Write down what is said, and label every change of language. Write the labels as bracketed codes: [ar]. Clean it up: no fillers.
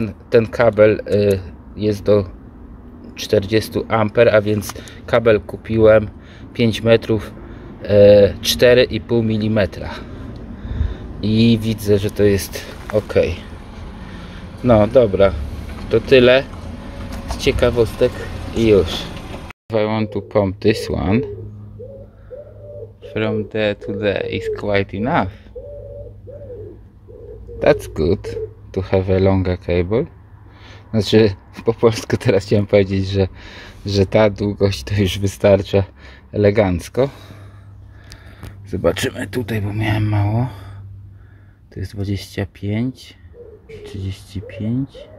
[pl] Ten kabel jest do 40 amper, a więc kabel kupiłem 5 metrów 4,5 mm i widzę, że to jest ok. No dobra, to tyle z ciekawostek i już. [en] I want to pump this one from there to there is quite enough. That's good to have a longer cable. [pl] Znaczy, po polsku teraz chciałem powiedzieć, że ta długość to już wystarcza elegancko. Zobaczymy tutaj, bo miałem mało. To jest 25, 35.